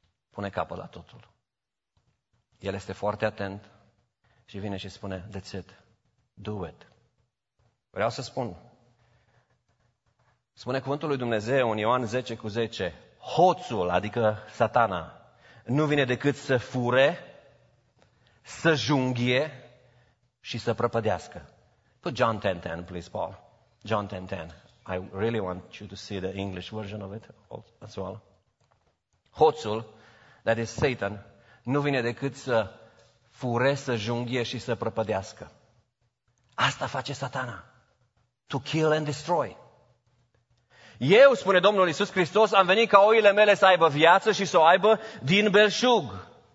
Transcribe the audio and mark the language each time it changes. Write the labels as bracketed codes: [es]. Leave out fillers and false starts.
[ro] Pune capăt la totul. El este foarte atent și vine și spune, [en] that's it. Do it. [ro] Vreau să spun. Spune cuvântul lui Dumnezeu în Ioan 10:10, hoțul, adică satana, nu vine decât să fure, să junghie și să prăpădească. [en] Put John 10:10, please, Paul. John 10:10. I really want you to see the English version of it as well. [ro] Hoțul, [en] that is Satan, [ro] nu vine decât să fure, să junghie și să prăpădească. Asta face satana. [en] To kill and destroy. [ro] Eu, spune Domnul Iisus Hristos, am venit ca oile mele să aibă viață și să o aibă din belșug.